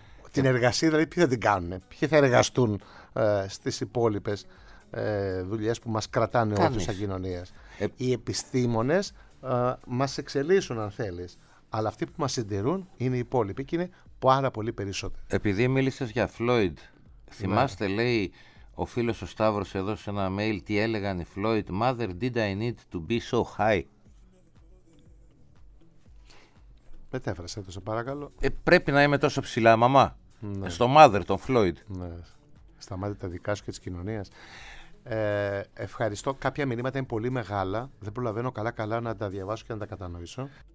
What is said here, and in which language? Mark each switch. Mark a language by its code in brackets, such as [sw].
[el] Την εργασία δηλαδή ποιοι θα την κάνουν? Ποιοι θα εργαστούν στις υπόλοιπες δουλειές που μας κρατάνε όλους σαν κοινωνίες? Οι επιστήμονες μας εξελίσσουν αν θέλεις. Αλλά αυτοί που μας συντηρούν είναι οι υπόλοιποι και είναι πάρα πολύ περισσότεροι. Επειδή μίλησες για Φλόιντ, θυμάστε, ναι. Λέει ο φίλος ο Σταύρος εδώ σε ένα mail, τι έλεγαν οι Φλόιντ? [en] Mother, did I need to be so high? [el] Μετέφρασε το, σε παρακαλώ. Πρέπει να είμαι τόσο ψηλά, μαμά. Ναι. Στο mother, τον Φλόιντ. Ναι. Στα μάτια τα δικά σου και της κοινωνίας. Ευχαριστώ. Κάποια μηνύματα είναι πολύ μεγάλα. Δεν προλαβαίνω καλά-καλά να τα διαβάσω και να τα κατανοήσω.